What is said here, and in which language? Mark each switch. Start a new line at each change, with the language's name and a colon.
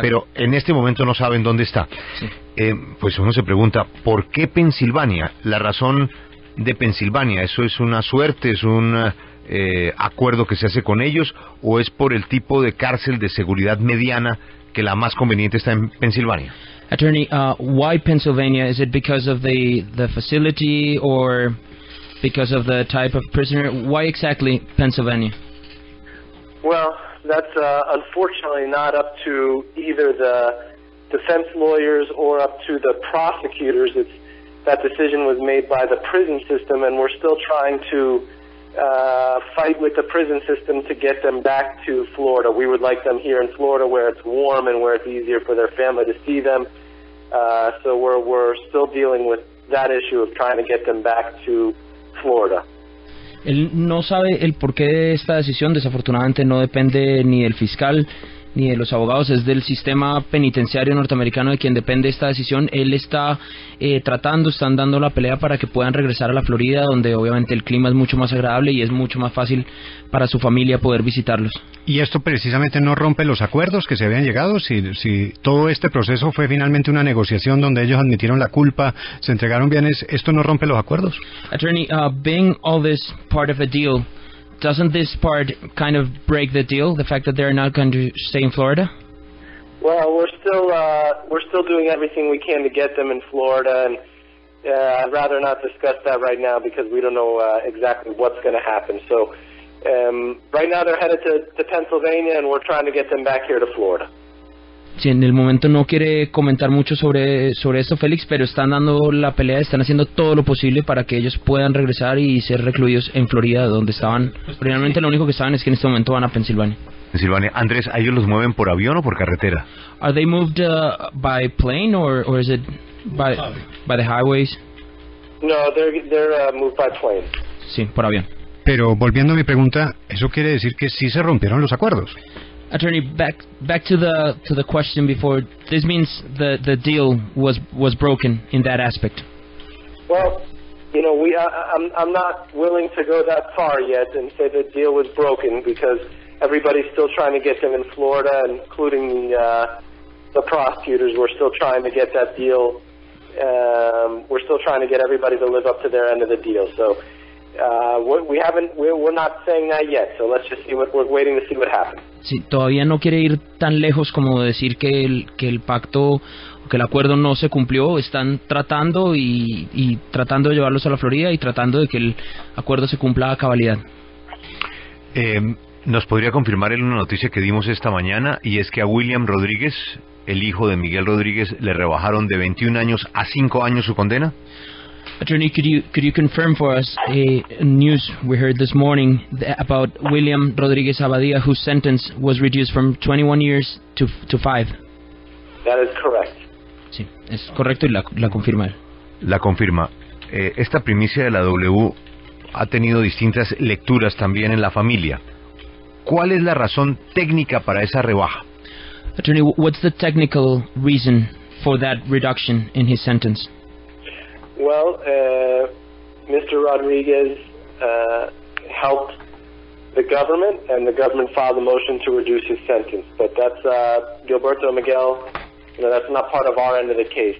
Spanish: Pero en este momento no saben dónde está. Sí. Pues uno se pregunta, ¿por qué Pensilvania? La razón de Pensilvania, ¿eso es una suerte, es un acuerdo que se hace con ellos, o es por el tipo de cárcel de seguridad mediana que la más conveniente está en Pensilvania?
English: Attorney, why Pennsylvania? Is it because of the facility or because of the type of prisoner? Why exactly Pennsylvania? Well, that's unfortunately not up to either the defense lawyers or up to the prosecutors. It's that decision was made by the prison system, and we're still trying to fight with the prison system to get them back to Florida. We would like them here in Florida, where it's warm and where it's easier for their family to see them. So we're still dealing with that issue of trying to get them back to Florida.
Spanish: Él no sabe el porqué de esta decisión. Desafortunadamente no depende ni del fiscal ni de los abogados, es del sistema penitenciario norteamericano de quien depende esta decisión. Él está están dando la pelea para que puedan regresar a la Florida, donde obviamente el clima es mucho más agradable y es mucho más fácil para su familia poder visitarlos. ¿Y esto precisamente no rompe los acuerdos que se habían llegado? Si todo este proceso fue finalmente una negociación donde ellos admitieron la culpa, se entregaron bienes, ¿esto no rompe los acuerdos?
English: Attorney, being all this part of a deal, doesn't this part kind of break the deal, the fact that they're not going to stay in Florida? Well, we're still doing everything we can to get them in Florida, and I'd rather not discuss that right now because we don't know exactly what's going to happen. So right now they're headed to Pennsylvania, and we're trying to get them back here to Florida.
Spanish: Sí, en el momento no quiere comentar mucho sobre esto, Félix, pero están dando la pelea, están haciendo todo lo posible para que ellos puedan regresar y ser recluidos en Florida, donde estaban. Realmente lo único que saben es que en este momento van a Pensilvania. Pensilvania. Andrés, ¿a ellos los mueven por avión o por carretera?
English: Are they moved by plane or is it by the highways? No, they're moved by plane.
Spanish: Sí, por avión. Pero volviendo a mi pregunta, ¿eso quiere decir que sí se rompieron los acuerdos?
English: Attorney, back to the question before. This means the deal was broken in that aspect. Well, you know, I'm not willing to go that far yet and say the deal was broken because everybody's still trying to get them in Florida, including the prosecutors. We're still trying to get that deal. We're still trying to get everybody to live up to their end of the deal. So we're not saying that yet. So let's just see what we're waiting to see what happens.
Spanish: Sí, todavía no quiere ir tan lejos como decir que el pacto, que el acuerdo no se cumplió. Están tratando y tratando de llevarlos a la Florida y tratando de que el acuerdo se cumpla a cabalidad. ¿Nos podría confirmar en una noticia que dimos esta mañana, y es que a William Rodríguez, el hijo de Miguel Rodríguez, le rebajaron de 21 años a 5 años su condena?
English: Attorney, could you confirm for us a news we heard this morning about William Rodriguez Abadía, whose sentence was reduced from 21 years to 5? That is correct.
Spanish: Sí, es correcto y la confirma. La confirma. Esta primicia de la W ha tenido distintas lecturas también en la familia. ¿Cuál es la razón técnica para esa rebaja?
English: Attorney, what's the technical reason for that reduction in his sentence? Well, Mr. Rodriguez helped the government, and the government filed a motion to reduce his sentence. But that's Gilberto Miguel. You know, that's not part of our end of the case.